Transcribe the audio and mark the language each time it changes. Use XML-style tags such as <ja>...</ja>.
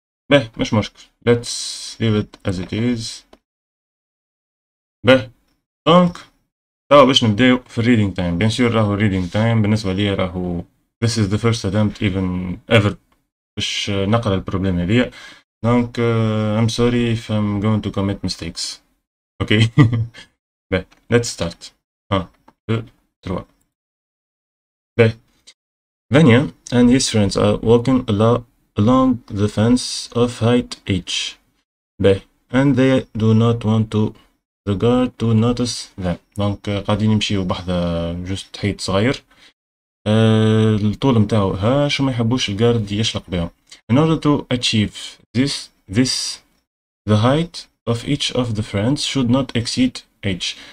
<ar>باه مش مشكل،</ar> <en>Let's leave it as it is.</en> <ar>باه دونك توا باش نبداو في الريدينغ تايم. بيان سور راهو الريدينغ تايم بالنسبة ليا راهو</ar> <en>this is the first attempt even ever</en> <ar>باش نقرا البروبليم هاذيا.</ar> <en>دونك I'm sorry if I'm going to commit mistakes. Okay باه let's start. 1 2 3. باه Vanya and his friends are walking along the fence of height H. باه and they do not want to the guard to notice them.</en> <ar>دونك قاعدين يمشيو بحذا جوست حيط صغير الطول متاعو هاش، وما يحبوش الجارد يشلق بهم.</ar> <en>In order to achieve this the height of each of the friends should not exceed H.</en>